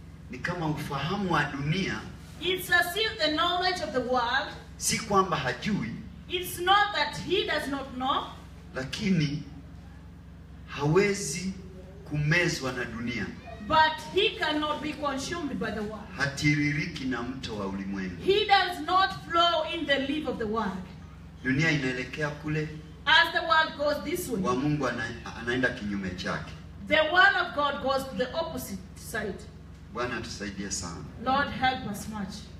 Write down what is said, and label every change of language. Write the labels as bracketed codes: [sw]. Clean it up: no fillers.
[sw] Ni kama ufahamu wa dunia. [en] It's as if the knowledge of the world. [sw] Si kwamba hajui. [en] It's not that he does not know. [sw] Lakini hawezi kumezwa na dunia. [en] But he cannot be consumed by the world. [sw] Hatiririki na mto wa ulimwengu. [en] He does not flow in the leaf of the world. [sw] Dunia inaelekea kule. [en] As the world goes this way. [sw] Wa Mungu anaenda kinyume chake. [en] The word of God goes to the opposite side. [sw] Bwana tusaidie sana. [en] Lord help us much.